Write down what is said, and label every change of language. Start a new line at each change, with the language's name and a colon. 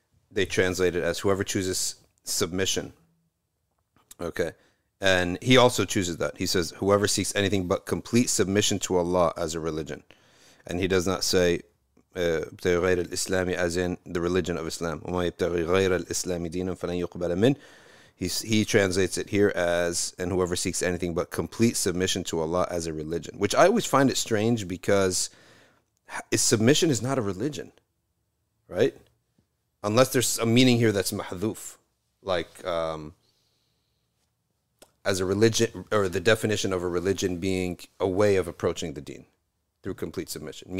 English: They translate it as whoever chooses submission. Okay. And he also chooses that. He says, whoever seeks anything but complete submission to Allah as a religion. And he does not say,
Arabic: يبتغي غير الإسلام
English: as in the religion of Islam.
Arabic: وما يبتغي غير الإسلام دينا فلن يقبل من.
English: He translates it here as, and whoever seeks anything but complete submission to Allah as a religion. Which I always find it strange, because submission is not a religion, right? Unless there's a meaning here that's mahdhuf, like as a religion, or the definition of a religion being a way of approaching the deen through complete submission.